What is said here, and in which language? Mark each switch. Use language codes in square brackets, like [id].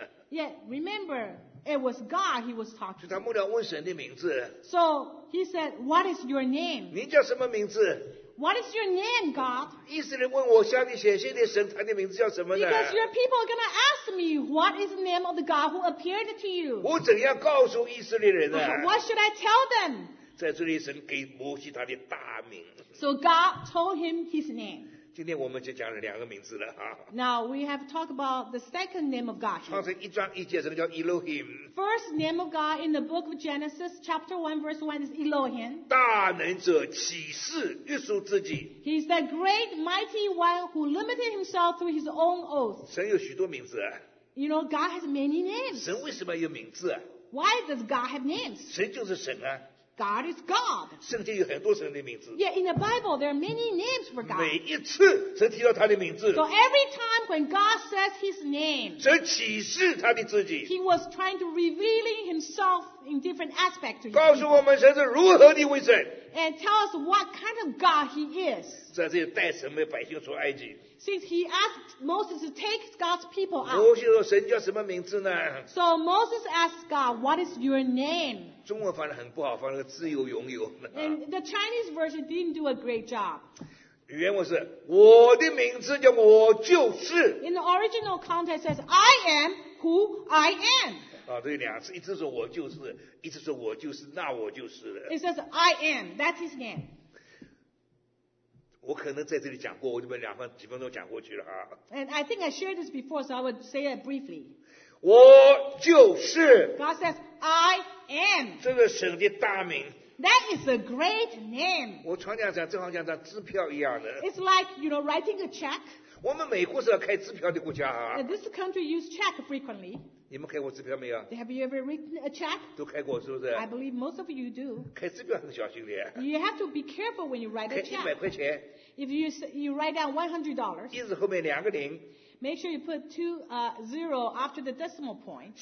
[en] Yet, remember, it was God he was talking to. So he said, what is your name? [zh] 您叫什么名字? [en] What is your name, God? [zh] 以色列问我向你显现的神，他的名字叫什么呢? [en] Because your people are going to ask me, what is the name of the God who appeared to you? [zh] 我怎样告诉以色列人呢? [en] What should I tell them? [zh] 在这里神给摩西他的大名。 [en] So God told him his name. [zh] 今天我们就讲了两个名字了、啊、 [en] Now we have talked about the second name of God. [zh] 创世一章一节神叫 Elohim. [en] First name of God in the book of Genesis chapter 1 verse 1 is Elohim. [zh] 大能者启示约束自己。 [en] He's the great mighty one who limited himself through his own oath. [zh] 神有许多名字。 [en] You know God has many names. [zh] 神为什么有名字？ [en] Why does God have names? [zh] 神就是神啊。 [en] God is God. [zh] 圣经有很多神的名字。 [en] Yeah, in the Bible, there are many names for God. [zh] 每一次神提到他的名字。 [en] So every time when God says his name, [zh] 神启示他的自己。 [en] He was trying to revealing himself in different aspects to his [zh] 告诉我们神是如何的为神。 [en] And tell us what kind of God he is. [zh] 在这里带神的百姓出埃及。 [en] Since he asked Moses to take God's people out. [zh] 摩西说神叫什么名字呢？ [en] So Moses asked God, what is your name? [zh] 中文翻得很不好，翻了个自由拥有。 [en] And the Chinese version didn't do a great job. [zh] 原文是我的名字叫我就是。 [en] In the original context it says, I am who I am. [zh] 啊，对，两次，一次说我就是，一次说我就是，那我就是了。 [en] It says, I am, that's his name. [zh] 我可能在这里讲过，我就把两分几分钟讲过去了啊。 [en] And I think I shared this before, so I would say it briefly. [zh] 我就是。 [en] God says, I am. [zh] 这个神的大名。 [en] That is a great name. [zh] 我常常讲，正好像张支票一样的。 [en] It's like, you know, writing a check. [zh] 我们美国是要开支票的国家啊。 [en] And this country uses check frequently. [zh] 你们开过支票没有？ [en] Have you ever written a check? [zh] 都开过是不是？ [en] I believe most of you do. [zh] 开支票很小心的。 [en] You have to be careful when you write a check. [zh] 开一百块钱。 [en] If you write down $100. [zh] 一字后面两个零。 [en] Make sure you put two zero after the decimal point.